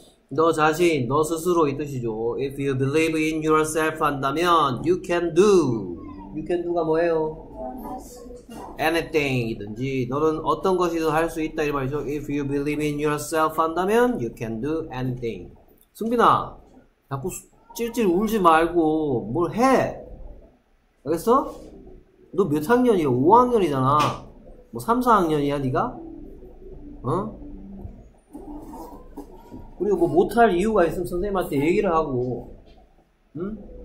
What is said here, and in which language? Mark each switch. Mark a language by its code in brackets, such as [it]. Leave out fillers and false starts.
[ko] 너 자신, 너 스스로 이 뜻이죠. [en] If you believe in yourself [ko] 한다면, [en] you can do. you can do가 [ko] 뭐예요? anything이든지 너는 어떤 것이든 할 수 있다 이 말이죠. [en] If you believe in yourself [ko] 한다면 [en] you can do anything. [ko] 승빈아, 자꾸 찔찔 울지 말고 뭘 해. 알겠어? 너 몇 학년이야? 5학년이잖아. 뭐 3, 4학년이야 네가? 어? 그리고 뭐 못할 이유가 있으면 선생님한테 얘기를 하고, 응?